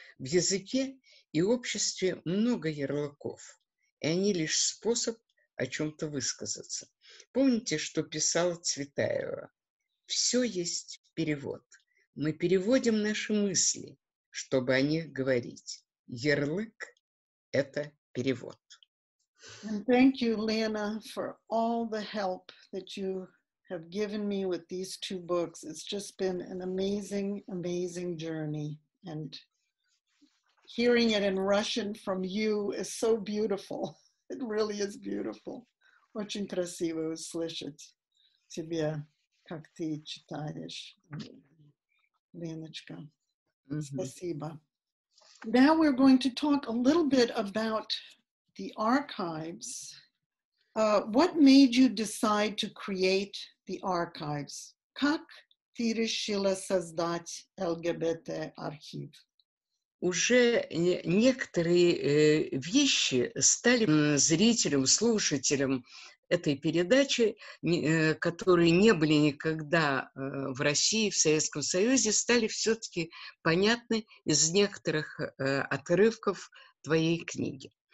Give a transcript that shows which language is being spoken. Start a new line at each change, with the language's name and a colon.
Russian: В языке и обществе много ярлыков, и они лишь способ о чем-то высказаться. Помните, что писала Цветаева? Все есть перевод. Мы переводим наши мысли, чтобы о них говорить. Ярлык – это перевод.
English: And thank you, Lena, for all the help that you have given me with these two books. It's just been an amazing, amazing journey. And hearing it in Russian from you is so beautiful. It really is beautiful.
Russian: Очень красиво услышать тебя, как ты читаешь, Леночка. Спасибо.
English: Now we're going to talk a little bit about the archives. What made you decide to create the archives?
Russian: Как ты решила создать ЛГБТ-архив? Уже некоторые вещи стали зрителям, слушателям этой передачи, которые не были никогда в России, в Советском Союзе, стали все-таки понятны из некоторых отрывков твоей книги.